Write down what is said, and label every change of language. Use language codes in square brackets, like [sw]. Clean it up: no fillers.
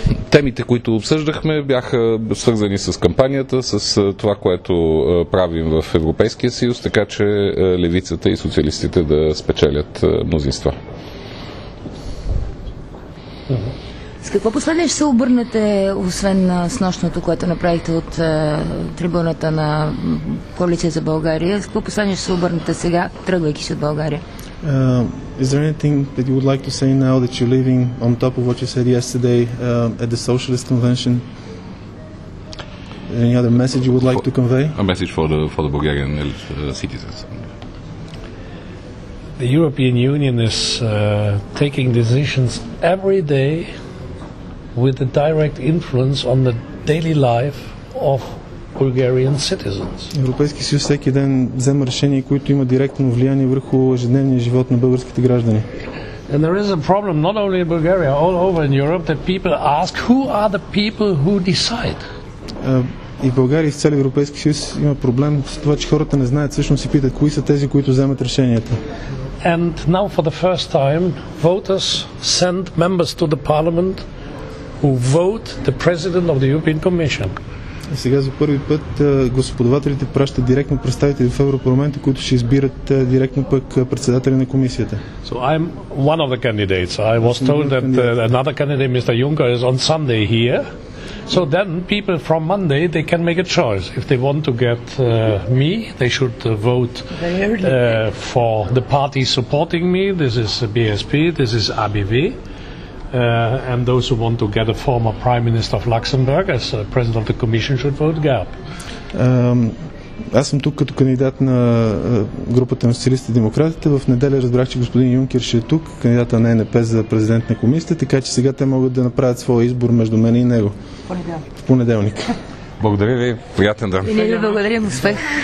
[bg] Темите, които обсъждахме, бяха свързани с кампанията, с това, което правим в Европейския съюз, така че левицата и социалистите да спечелят мнозинства. С какво последно ще се обърнете, освен на снощното, което направихте от трибуната на Коалиция за България? С какво последно ще се обърнете сега, тръгвайки си от България? [en] Is there anything that you would like to say now that you're leaving on top of what you said yesterday at the Socialist Convention? Any other message you would like to convey? A message for the Bulgarian citizens. The European Union is taking decisions every day with a direct influence on the daily life of Bulgarian citizens. [bg] Европейският съюз всеки ден взема решения, които имат директно влияние върху ежедневния живот на българските граждани. [en] And there is a problem not only in Bulgaria, all over in Europe, that people ask who are the people who decide. [bg] И в България и в целия Европейски съюз има проблем с това, че хората не знаят, всъщност си питат кои са тези, които вземат решенията. [en] And now for the first time, voters send members to the parliament who vote the president of the European Commission. [bg] И сега за първи път господавателите пращат директно представители в Европарламента, които ще избират директно пък председателя на комисията. [en] So I'm one of the candidates. I was told that another candidate, Mr. Juncker, is on Sunday here. So then people from Monday they can make a choice. If they want to get me, they should vote for the party supporting me. This is BSP, this is ABV. And those who want to get a former prime minister of Luxembourg as president of the commission should vote GAP. [bg] Аз съм тук като кандидат на групата на социалистите и демократите. В неделя разбрах, че господин Юнкер ще е тук, кандидата на ЕНП за президент на комисията, така че сега те могат да направят своя избор между мен и него. Понеделник. В понеделник. Благодаря ви, приятен ден. И не ли благодарим, успех.